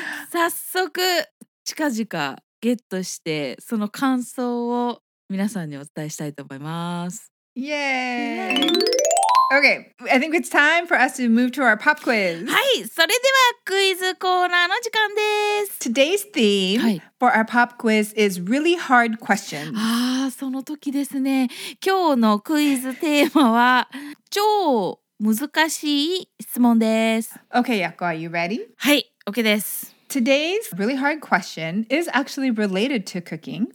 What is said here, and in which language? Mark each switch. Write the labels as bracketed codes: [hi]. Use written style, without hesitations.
[ja] 早速近々ゲットしてその感想を皆さんにお伝えしたいと思います。イエーイ。 [en] Okay, I think it's time for us to move to our pop quiz. [ja] はい、それではクイズコーナーの時間です。 [en] Today's theme、はい、for our pop quiz is really hard questions. [ja] ああ、その時ですね。今日のクイズテーマは超難しい質問です。 [en] Okay, Yako, are you ready? [ja] はい、OK です。 [en] Today's really hard question is actually related to cooking.